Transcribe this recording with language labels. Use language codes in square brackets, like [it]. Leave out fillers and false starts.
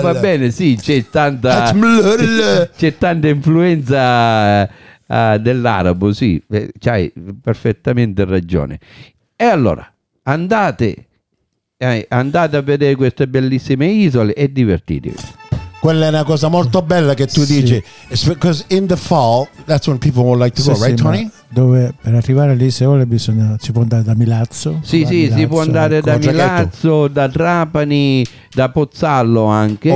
[it] va bene, sì, c'è tanta influenza dell'arabo, sì, c'hai perfettamente ragione. E allora, andate a vedere queste bellissime isole e divertitevi. Quella è una cosa molto bella che tu dici. [en] It's because in the fall that's when people would like to go, right, Tony? [it] Dove per arrivare lì Seole bisogna, si può andare da Milazzo. Sì, sì, Milazzo, si può andare da Milazzo, da Trapani, da Pozzallo anche.